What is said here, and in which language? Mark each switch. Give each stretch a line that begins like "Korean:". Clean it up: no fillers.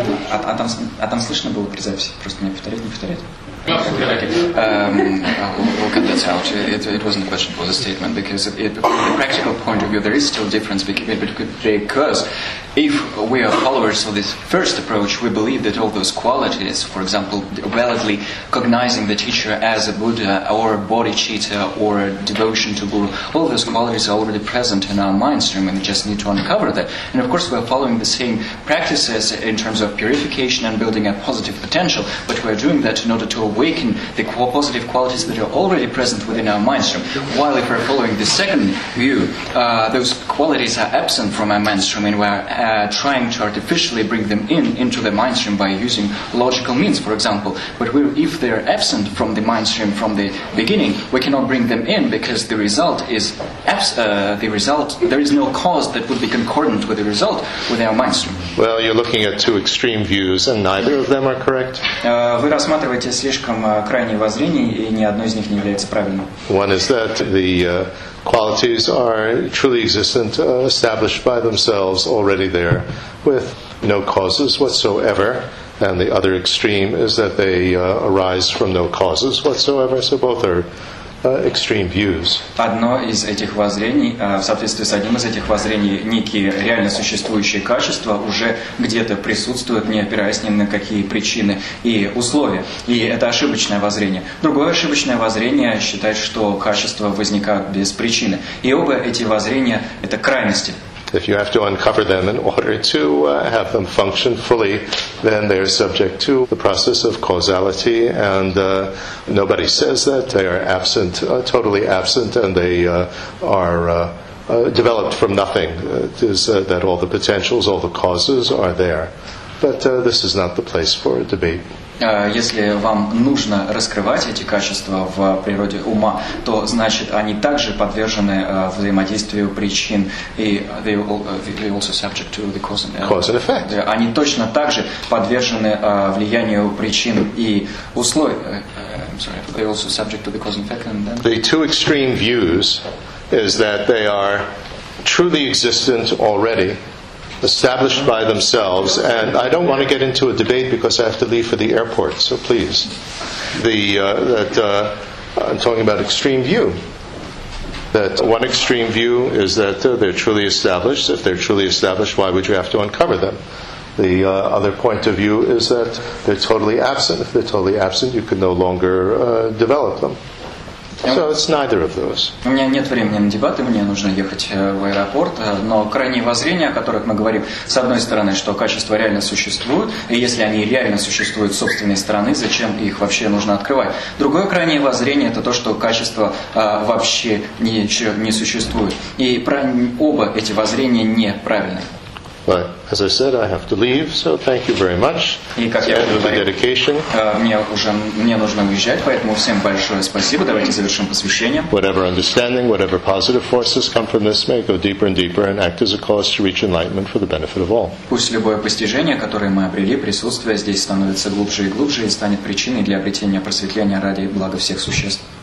Russian: А там слышно было при записи? Просто мне повторять, не повторять?
English: We'll cut that out. It wasn't a question, it was a statement. Because from a practical point of view, there is still a difference because if we are followers of this first approach, we believe that all those qualities, for example, validly cognizing the teacher as a Buddha or a bodhicitta or a devotion to Guru, all those qualities are already present in our mind stream and we just need to uncover that. And of course, we are following the same practices in terms of purification and building a positive potential, but we are doing that in order to awaken the positive qualities that are already present within our mind stream. While if we are following the second view, those qualities are absent from our mind stream and we are trying to artificially bring them into the mindstream by using logical means, for example. But if they're absent from the mindstream from the beginning, we cannot bring them in because the result is there is no cause that would be concordant with the result with our mindstream. Well, you're looking at two extreme views, and neither of them are correct.
Russian: Вы рассматриваете слишком крайние воззрения, и ни одно из них не является правильным.
English: One is that the qualities are truly existent, established by themselves, already there, with no causes whatsoever. And the other extreme is that they arise from no causes whatsoever. So both are extreme views.
Russian: Одно из этих воззрений, в соответствии с одним из этих воззрений, некие реально существующие качества уже где-то присутствуют, не опираясь ни на какие причины и условия. И это ошибочное воззрение. Другое ошибочное воззрение считает, что качества возникают без причины. И оба эти воззрения – это крайности.
English: If you have to uncover them in order to have them function fully, then they are subject to the process of causality, and nobody says that they are absent, totally absent, and they are developed from nothing. It is that all the potentials, all the causes are there. But this is not the place for a debate.
Russian: Если вам нужно раскрывать эти качества в природе ума, то значит они также подвержены взаимодействию причин и
English: they also subject to the cause and effect. Cause and effect.
Russian: Они точно также подвержены влиянию причин и условий.
English: They also subject to the cause and effect. And then the two extreme views is that they are truly existent already, established by themselves, and I don't want to get into a debate because I have to leave for the airport, so please. I'm talking about extreme view. That one extreme view is that they're truly established. If they're truly established, why would you have to uncover them? The other point of view is that they're totally absent. If they're totally absent, you could no longer develop them. So it's neither of those.
Russian: У меня нет времени на дебаты, мне нужно ехать в аэропорт, но крайние воззрения, о которых мы говорим, с одной стороны, что качества реально существуют, и если они реально существуют с собственной стороны, зачем их вообще нужно открывать? Другое крайнее воззрение – это то, что качества вообще не существуют. И оба эти воззрения неправильны.
English: But as I said, I have to leave, so thank you very much.
Russian: Мне нужно уезжать, поэтому всем большое спасибо. Давайте завершим посвящение.
English: Whatever understanding, whatever positive forces come from this, may go deeper and deeper and act as a cause to reach enlightenment for the benefit of all.
Russian: Пусть любое постижение, которое мы обрели, присутствие здесь становится глубже и глубже и станет причиной для обретения просветления ради блага всех существ.